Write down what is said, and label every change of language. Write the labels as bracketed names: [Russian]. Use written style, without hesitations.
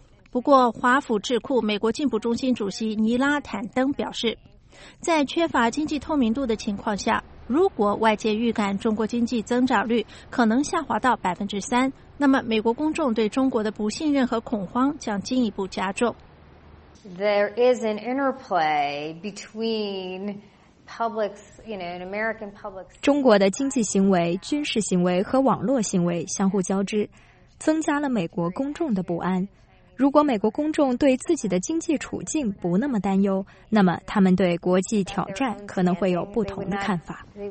[Chinese] 不过，华府智库美国进步中心主席尼拉·坦登表示，在缺乏经济透明度的情况下，如果外界预感中国经济增长率可能下滑到 3%， 那么美国公众对中国的不信任和恐慌将进一步加重。 [English] There is an interplay between publics, an American public. [Chinese] 中国的经济行为、军事行为和网络行为相互交织，增加了美国公众的不安。如果美国公众对自己的经济处境不那么担忧，那么他们对国际挑战可能会有不同的看法。